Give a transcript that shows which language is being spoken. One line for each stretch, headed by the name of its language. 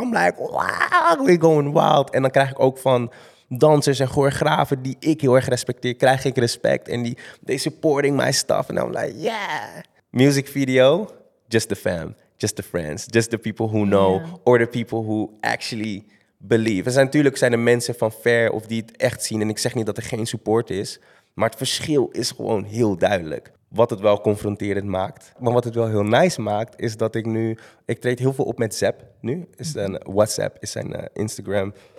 English: I'm like, wow, we're going wild.
Dutch: En dan krijg ik ook van dansers en choreografen die ik heel erg respecteer, krijg ik respect.
English: En they supporting my stuff. En I'm like, yeah. Music video, just the fam. just the friends, just the people who know, yeah, or the people who actually believe.
Dutch: Er zijn natuurlijk mensen van ver of die het echt zien, en ik zeg niet dat er geen support is, maar het verschil is gewoon heel duidelijk. Wat het wel confronterend maakt. Maar wat het wel heel nice maakt, is dat ik nu... Ik treed heel veel op met Zep nu. Is een WhatsApp, is zijn Instagram.